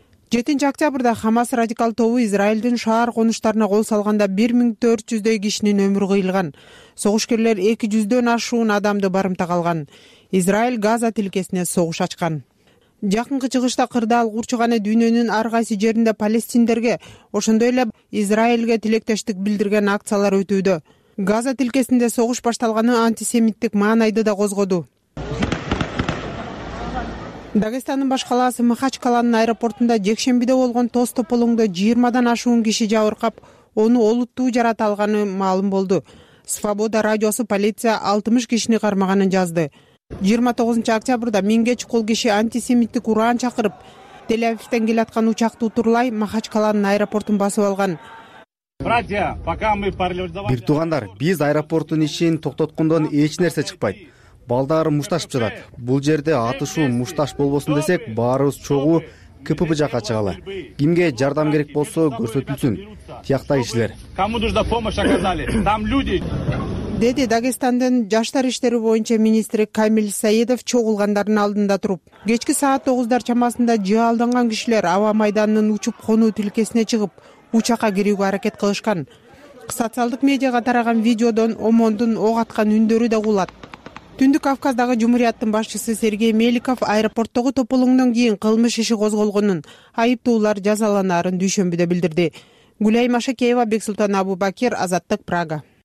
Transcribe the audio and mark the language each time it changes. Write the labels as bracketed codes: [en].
[ky] 7 октябрда Хамас радикал тобу Израилдин шаар конуштарына кол салганда 1400 кишинин өмүрү кыйылган. Согушкерлер 200 ашуун адамды барымтага алган. Израиль Газа тилкесине согуш ачкан. Жакынкы чыгышта кырдаал курчуганы дүйнөнүн ар кайсы жеринде палестиндерге, ошондой эле Израилге тилектештик билдирген акциялар өтүүдө. Газа тилкесинде согуш башталганы антисемиттик маанайды да козгоду. Дагестандын баш калаасы Махачкаланын аэропортунда жекшембиде болгон тостополоңдо 20 ашуун киши жабыркап, аны олуттуу жарата алганы маалым болду. Свобода радиосу полиция 60 кишини кармаганын жазды. 29 октябрда миңге чукул киши антисемиттик ураан чакырып, Тель-Авивден келаткан учакты утурлай Махачкаланын аэропортун басып алган. [ru] Братья, пока мы парализовали. [ky] Бир туугандар, биз аэропорттун ишин токтоткондон эч нерсе чыкпайт. Балдар мушташып жатат. Бул жерде атышуу мушташ болбосун десек, баарыбыз чогуу КПБ жакка чыгалы. Кимге жардам керек болсо көрсөтүлсүн. Тиякта кишилер. [ru] Кому нужна помощь оказали? Там люди. [ky] Деди Дагестандын жаштар иштери боюнча министри Камиль Саидов чогулгандардын алдында туруп. Кечки саат 9:00 чамасында жаалданган кишилер аба майданынын учуп конуу тилкесине чыгып, учакка кирүүгө аракет кылышкан. Социалдык медиага тараган видеодон Омондун ок аткан үндөрү да кулат. Түндүк Кавказдагы жумуриятынын башчысы Сергей Меликов аэропорттогу тополоңдон кийин кылмыш иши козголгонун, айыптуулар жазаланарын дүйшөмбүдө билдирди. Гүлай Машакеева, Бексултан Абубакир, Азаттык, Прага.